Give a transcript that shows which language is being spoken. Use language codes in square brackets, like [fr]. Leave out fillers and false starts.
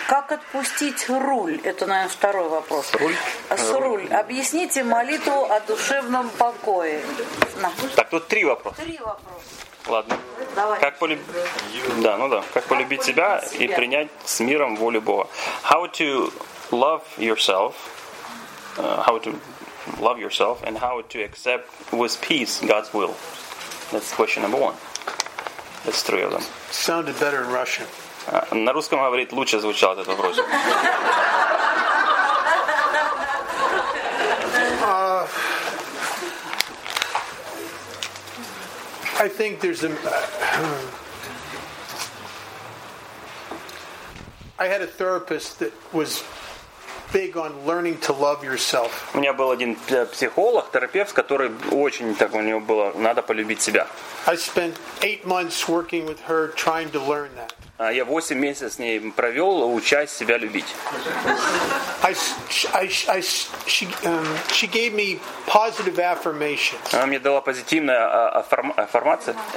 [ru] Как отпустить руль? Это, наверное, второй вопрос. С руль. Объясните молитву о душевном покое. Так, тут три вопроса. Три вопроса. Ладно. Давай. Как полюбить себя и принять с миром волю Бога? [en] How to love yourself? How to love yourself and how to accept with peace God's will? That's question number one. That's three of them. Sounded better in Russian. [ru] На русском говорит лучше звучал этот вопрос. [en] I think there's a... I had a therapist that was big on learning to love yourself. [ru] У меня был один психолог, терапевт, который очень так у него было, надо полюбить себя. [en] I spent 8 months working with her trying to learn that. [ru] Я 8 месяцев с ней провел, учась себя любить. [en] She gave me positive affirmations. [ru] Она мне дала позитивные аффирмации.